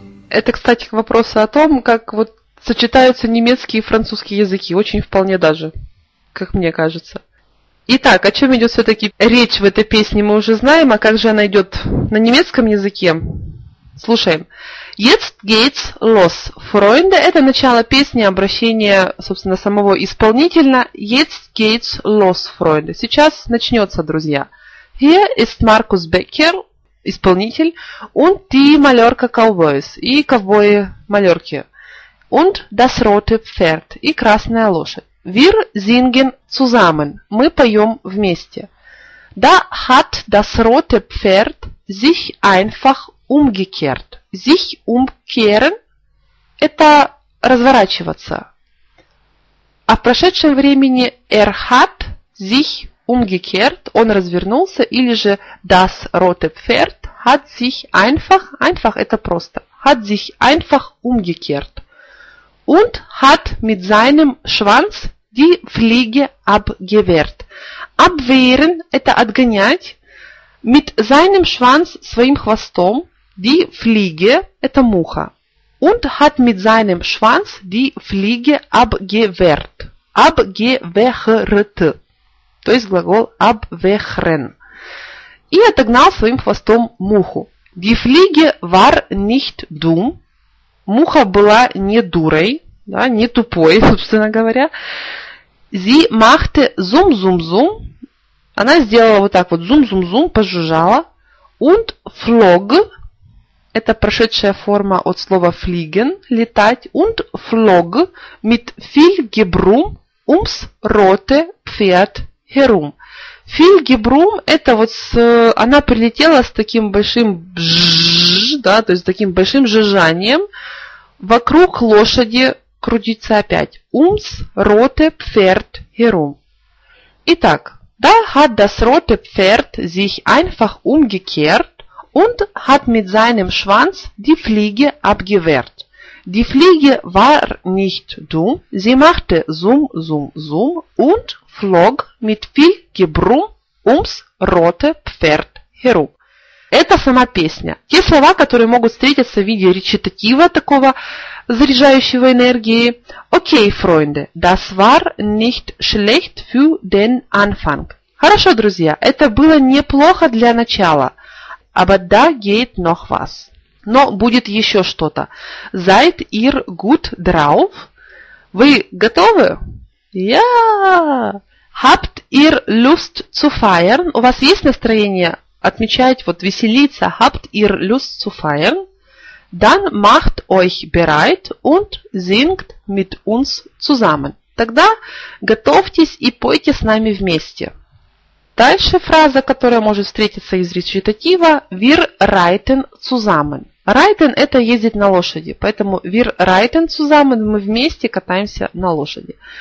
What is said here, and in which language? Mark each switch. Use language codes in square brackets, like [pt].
[ru] Это, кстати, к вопросу о том, как вот сочетаются немецкие и французские языки, очень вполне даже, как мне кажется. Итак, о чем идет все-таки речь в этой песне, мы уже знаем, а как же она идет на немецком языке? Слушаем. [de] Jetzt geht's los, Freunde. [ru] Это начало песни, обращение, собственно, самого исполнителя. [de] Jetzt geht's los, Freunde. [ru] Сейчас начнется, друзья. [de] Hier ist Markus Becker, [ru] исполнитель. [de] Und die Mallorca Cowboys. [ru] И ковбои Мальорки. [de] Und das rote Pferd. [ru] И красная лошадь. [de] Wir singen zusammen. Мы поем вместе. Da hat das rote Pferd sich einfach umgekehrt. [ru] Sich umkehren – это разворачиваться. А в прошедшем времени [de] er hat sich umgekehrt [ru] – он развернулся. Или же [de] das rote Pferd hat sich einfach – einfach – [ru] это просто. [de] Hat sich einfach umgekehrt. Und hat mit seinem Schwanz die Fliege abgewehrt. [ru] Abwehren – это отгонять. [de] Mit seinem Schwanz – [ru] своим хвостом. [de] Die Fliege [ru] – это муха. [de] Und hat mit seinem Schwanz die Fliege abgewehrt. Abgewehrt. [ru] То есть глагол abwehren. И отогнал своим хвостом муху. [de] Die Fliege war nicht dumm. [ru] Муха была не дурой. Да, не тупой, собственно говоря. [de] Sie machte zum-zum-zum. [ru] Она сделала вот так вот, zum-zum-zum, пожужжала. [de] Und flog. [ru] Это прошедшая форма от слова fliegen, летать. [de] Und flog mit viel Gebrumm ums rote Pferd herum. Viel Gebrumm, [ru] это вот с, она прилетела с таким большим бжж, да, то есть с таким большим жужжанием вокруг лошади. Крутится опять. [de] Ums rote Pferd herum. Итак, da hat das rote Pferd sich einfach umgekehrt und hat mit seinem Schwanz die Fliege abgewehrt. Die Fliege war nicht dumm, sie machte zum, zum, zum und flog mit viel Gebrumm ums rote Pferd herum. [ru] Это сама песня. Те слова, которые могут встретиться в виде речитатива такого, заряжающего энергии. [de] Окей, Freunde, das war nicht schlecht für den Anfang. [ru] Хорошо, друзья, это было неплохо для начала. [de] Aber da geht noch was. [ru] Но будет еще что-то. [de] Seid ihr gut drauf? [ru] Вы готовы? [de] Ja! Habt ihr Lust zu feiern? [ru] У вас есть настроение отмечать, вот веселиться? [de] Habt ihr Lust zu feiern? Dann macht euch bereit und singt mit uns zusammen. [ru] Тогда готовьтесь и пойте с нами вместе. Дальше фраза, которая может встретиться из речитатива. [de] Wir reiten zusammen. [ru] Reiten – это ездить на лошади. Поэтому [de] wir reiten zusammen [ru] – мы вместе катаемся на лошади.